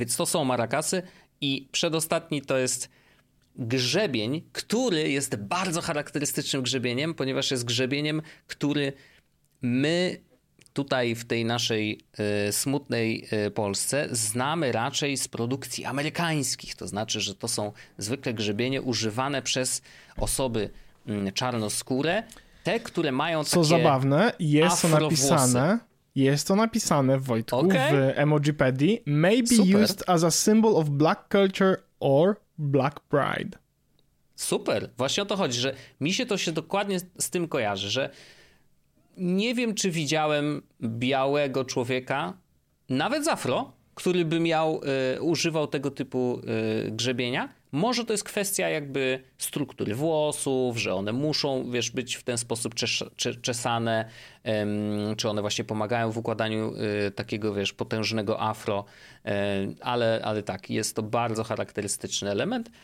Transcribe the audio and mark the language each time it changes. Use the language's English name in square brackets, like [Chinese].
[Polish] Więc to są marakasy i przedostatni to jest... grzebień, który jest bardzo charakterystycznym grzebieniem, ponieważ jest grzebieniem, który my tutaj w tej naszej smutnej Polsce znamy raczej z produkcji amerykańskich. To znaczy, że to są zwykle grzebienie używane przez osoby czarnoskóre, te, które mają takie co zabawne, jest to napisane, jest to napisane, Wojtku, okay. W Emojipedii. [English] May be [Polish] super. [English] Used as a symbol of black culture or Black Pride. [Polish] Super. Właśnie o to chodzi, że mi się to się dokładnie z tym kojarzy, że nie wiem, czy widziałem białego człowieka, nawet z afro, który by miał, używał tego typu grzebienia. Może to jest kwestia jakby struktury włosów, że one muszą, wiesz, być w ten sposób czesane, czy one właśnie pomagają w układaniu takiego, wiesz, potężnego afro, ale tak, jest to bardzo charakterystyczny element.